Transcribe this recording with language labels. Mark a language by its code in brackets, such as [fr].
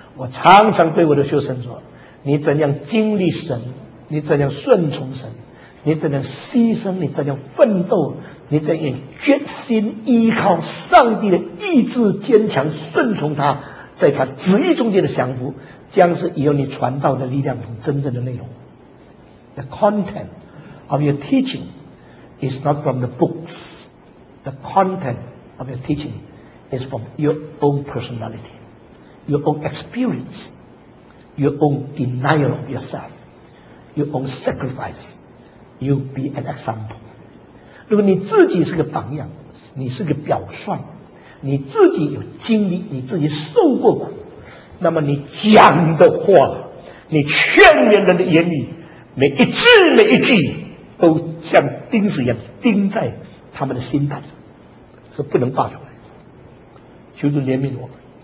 [zh] 我常常对我的学生说，你怎样经历神，你怎样顺从神，你怎样牺牲，你怎样奋斗，你在愿决心依靠上帝的意志，坚强顺从他，在他旨意中间的降服，将是以后你传道的力量和真正的内容。 [en] The content of your teaching is not from the books. The content of your teaching is from your own personality, your own experience, your own denial of yourself, your own sacrifice. You be an example. [zh] 如果你自己是个榜样，你是个表率，你自己有经历，你自己受过苦，那么你讲的话，你劝勉人的言语，每一字每一句都像钉子一样钉在他们的心坎上，是不能拔出来。求主怜悯我们。